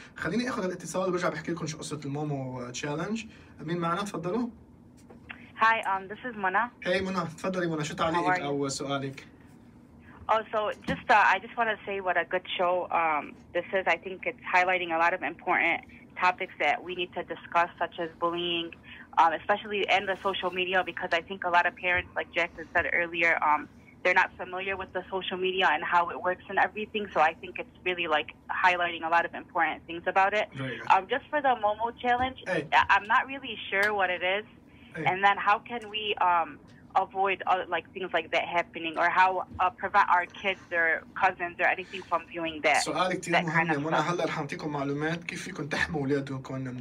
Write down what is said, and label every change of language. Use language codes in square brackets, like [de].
[ar] خليني اخذ الاتصال وبرجع بحكي لكم شو قصة المومو تشالنج. مين معنا؟ تفضلوا. [en] Hi this is منى. [ar] هاي منى، تفضلي منى، شو تعليقك او سؤالك؟ [en] I just want to say what a good show this is. I think it's highlighting a lot of important topics that we need to discuss, such as bullying, especially in the social media, because I think a lot of parents, like Jackson said earlier, they're not familiar with the social media and how it works and everything. So I think it's really like highlighting a lot of important things about it. Just for the Momo challenge, hey. I'm not really sure what it is. Hey. And then how can we avoid like things like that happening, or how prevent our kids or cousins or anything from viewing that? [ar] سؤال كتير مهم. منى هلا رح اعطيكم معلومات كيف فيكم تحموا اولادكم من